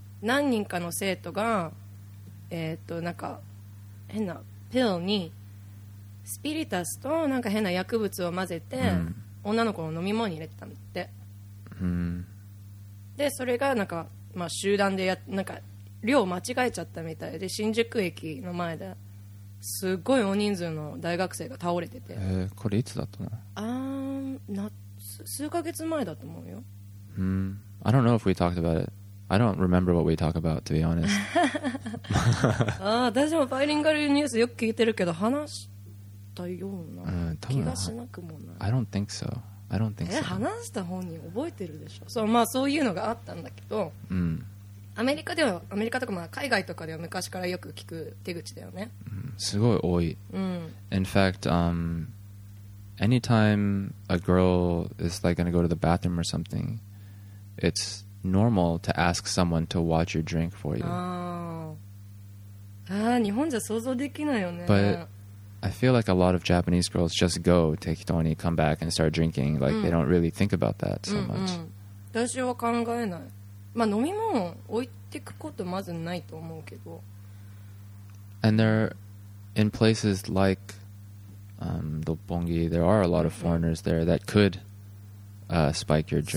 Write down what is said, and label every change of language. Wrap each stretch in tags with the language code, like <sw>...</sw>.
<ja>何人かの生徒が、なんか変なピルにスピリタスとなんか変な薬物を混ぜて、女の子の飲み物に入れてたんだって。でそれがなんか、まあ、集団でなんか量間違えちゃったみたいで新宿駅の前ですごい大人数の大学生が倒れてて、これいつだったの？数ヶ月前だと思うよ。</ja> <en>I don't know if we talked about it I don't remember what we talk about, to be honest.</en> <ja>ああ、私もバイリンガルニュースよく聞いてるけど、話したような気がしなくもない。</ja> <en>I don't think so. I don't think so.</en> <ja>話した本人覚えてるでしょ。そう、まあそういうのがあったんだけど、うん、アメリカではアメリカとかまあ海外とかでは昔からよく聞く手口だよね。うん、すごい多い。うん、</ja> <en>In fact, anytime a girl is like gonna go to the bathroom or something, it's normal to ask someone to watch your drink for you.</en> <ja>ああ、日本じゃ想像できないよね。</ja> <en>But I feel like a lot of Japanese girls just go, take it on, come back and start drinking. Like、うん、they don't really think about that so much.</en> <ja>うん、うん、私は考えない。まあ飲み物置いてくことまずないと思うけど。</ja> <en>And there, in places like, Doppongi, there are a lot of foreigners there that could, spike your drink.</en>